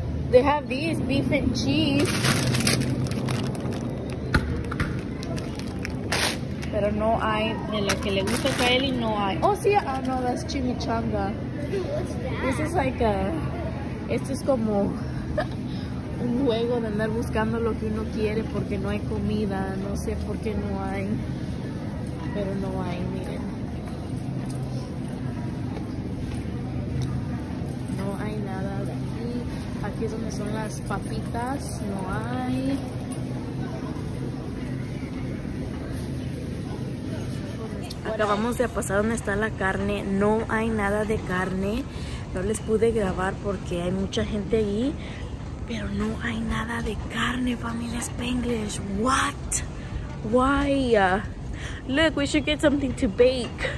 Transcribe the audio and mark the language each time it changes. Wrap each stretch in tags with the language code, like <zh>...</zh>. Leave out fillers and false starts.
<en>They have these, beef and cheese.</en> <es>Pero no hay, de lo que le gusta a Kaeli, no hay.</es> <en>Oh, sí, oh, no, that's chimichanga. What's that? This is like a,</en> <es>esto es como luego de andar buscando lo que uno quiere porque no hay comida, no sé por qué no hay, pero no hay, miren. No hay nada de aquí. Aquí es donde son las papitas, no hay. Acabamos de pasar donde está la carne, no hay nada de carne. No les pude grabar porque hay mucha gente ahí, pero no hay nada de carne, familia Spanglish.</es> <en>What? Why? Look, we should get something to bake.</en>